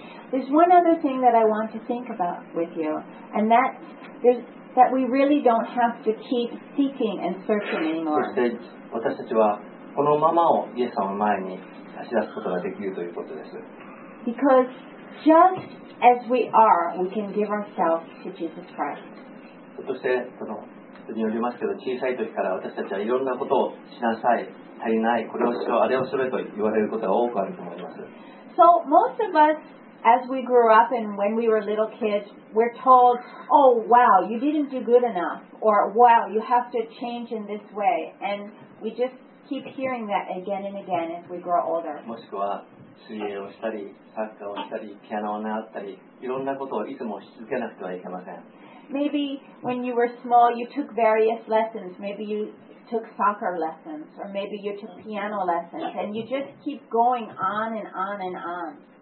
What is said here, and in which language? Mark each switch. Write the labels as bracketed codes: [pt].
[en] There's one other thing that I want to think about with you, and that's there's. That we really don't have to keep seeking and searching anymore. [ja] そして私たちはこのままをイエス様の前に差し出すことができるということです。 [en] Because just as we are, we can give ourselves to Jesus Christ. [ja] そして、その、によりますけど、小さい時から私たちはいろんなことをしなさい、足りない、これをしろ、あれをしろと言われることが多くあると思います。 [en] So most of us, as we grew up and when we were little kids,We're told, oh wow, you didn't do good enough, or wow, you have to change in this way. And we just keep hearing that again and again as we grow older. [ja] もしくは水泳をしたり、サッカーをしたり、ピアノを習ったり、いろんなことをいつもし続けなくてはいけません。 [en] Maybe when you were small, you took various lessons. Maybe you took soccer lessons, or maybe you took piano lessons, and you just keep going on and on and on.